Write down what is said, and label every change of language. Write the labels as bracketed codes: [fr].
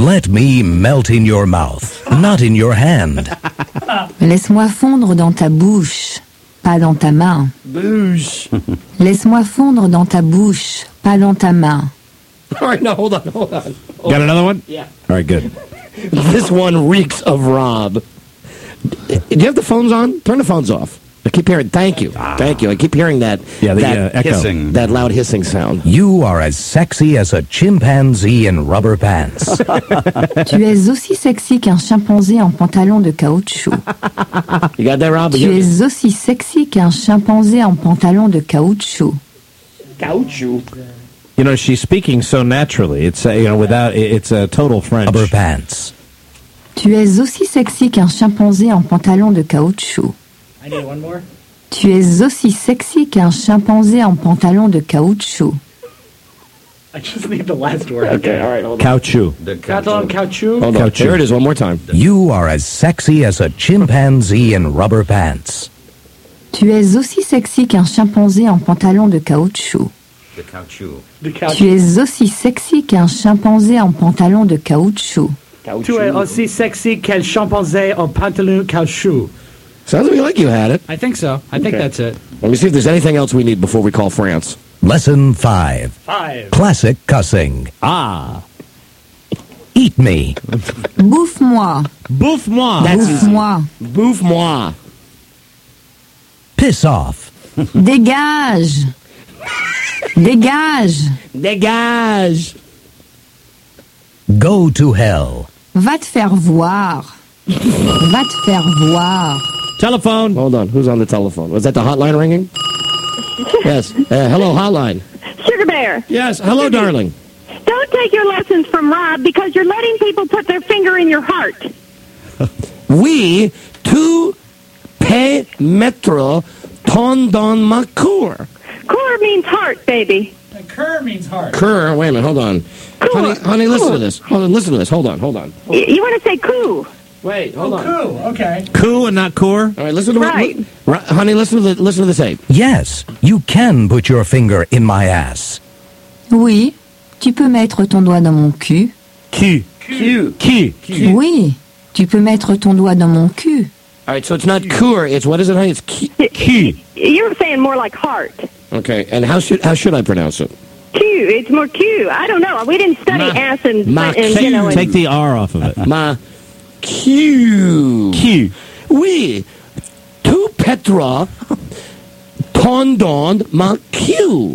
[en] Let me melt in your mouth, not in your hand. [fr] Laisse-moi fondre dans ta bouche, pas dans ta main. Bouche. Laisse-moi fondre dans ta bouche, pas dans ta main. [en] All right, no, hold on. Got another one? Yeah. All right, good. This one reeks of Rob. Do you have the phones on? Turn the phones off. I keep hearing, thank you. I keep hearing that, echo. Hissing. That loud hissing sound. You are as sexy as a chimpanzee in rubber pants. [fr] Tu es aussi sexy qu'un chimpanzé en pantalon de caoutchouc. [en] You got that, Rob? [fr] Tu es aussi sexy qu'un chimpanzé en pantalon de caoutchouc. Caoutchouc? [en] You know, she's speaking so naturally. It's it's a total French. Rubber pants. [fr] Tu es aussi sexy qu'un chimpanzé en pantalon de caoutchouc. [en] I need one more. Tu es aussi sexy qu'un chimpanzé en pantalon de caoutchouc. I just need the last word. Okay, all right. Hold on. [fr] Caoutchouc. Caoutchouc. [en] Here it is one more time. You are as sexy as a chimpanzee in rubber pants. [fr] Tu es aussi sexy qu'un chimpanzé en pantalon de caoutchouc. [en] The caoutchouc. [fr] Tu es aussi sexy qu'un chimpanzé en pantalon de caoutchouc. Tu es aussi sexy qu'un chimpanzé en pantalon caoutchouc. [en] Sounds to me like you had it. I think so. I think that's it. Let me see if there's anything else we need before we call France. Lesson 5. Classic cussing. Ah. Eat me. [fr] Bouffe-moi. Bouffe-moi. Bouffe-moi. Bouffe-moi. [en] Piss off. [fr] Dégage. Dégage. Dégage. [en] Go to hell. [fr] Va te faire voir. Va te faire voir. [en] Telephone. Hold on. Who's on the telephone? Was that the hotline ringing? Yes. Hello, hotline. Sugar Bear. Yes. Hello, darling. Don't take your lessons from Rob because you're letting people put their finger in your heart. [fr] We, tu peux mettre ton don ma cour. [en] Cour means heart, baby. Cur means heart. Cur, wait a minute, hold on. Cool. Honey, listen to this. Hold on. You want to say coo. Wait, hold on. Coo, okay. Coo and not core? All right, listen to what... Right. Honey, listen to the tape. Yes, you can put your finger in my ass. [fr] Oui, tu peux mettre ton doigt dans mon cul. Q. Oui, tu peux mettre ton doigt dans mon cul. [en] All right, so it's not coo, it's what is it, honey? It's key. You're saying more like heart. Okay, and how should I pronounce it? Q. It's more Q. I don't know. We didn't study take the R off of it. [fr] Ma Q. Q. Oui. Tu Petra ton don ma Q.